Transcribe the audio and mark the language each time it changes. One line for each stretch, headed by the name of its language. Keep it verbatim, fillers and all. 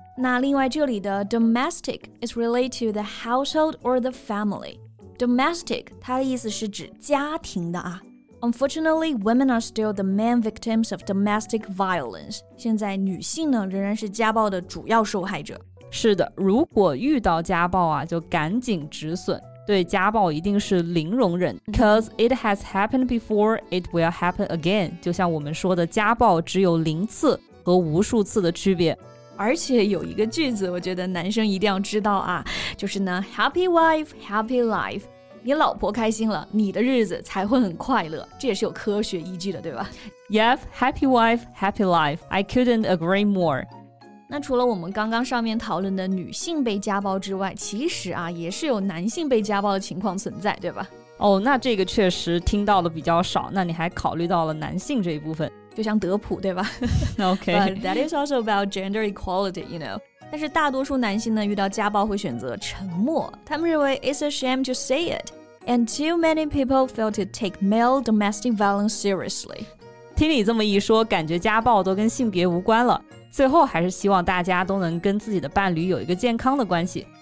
Chinese: 那另外这里的
English: domestic is related to the household or the family.
Chinese: Domestic 它的意思是指家庭的啊。
English: Unfortunately, women are still the main victims of domestic violence.
Chinese: 现在女性呢仍然是家暴的主要受害者。是的，如果遇到家暴啊，就赶紧止损。对家暴一定是零容忍 ，
English: because it has happened before, it will happen again.
Chinese: 就像我们说的，家暴只有零次和无数次的区别。而且有一个句子，我觉得男生一定要知道啊，就是呢 ，
English: Happy wife, happy life.
Chinese: 你老婆开心了，你的日子才会很快乐，这也是有科学依据的，对吧？
English: Yep, happy wife, happy life. I couldn't agree more.
Chinese: 那除了我们刚刚上面讨论的女性被家暴之外，其实啊，也是有男性被家暴的情况存在，对吧？哦，那这个确实听到的比较少，那你还考虑到了男性这一部分，就像德普，对吧？
English: Okay. But that is also about gender equality, you know.
Chinese: 但是大多数男性呢，遇到家暴会选择沉默。他们认为
English: it's a shame to say it, and too many people fail to take male domestic violence seriously.
Chinese: 听你这么一说，感觉家暴都跟性别无关了。最后还是希望大家都能跟自己的伴侣有一个健康的关系。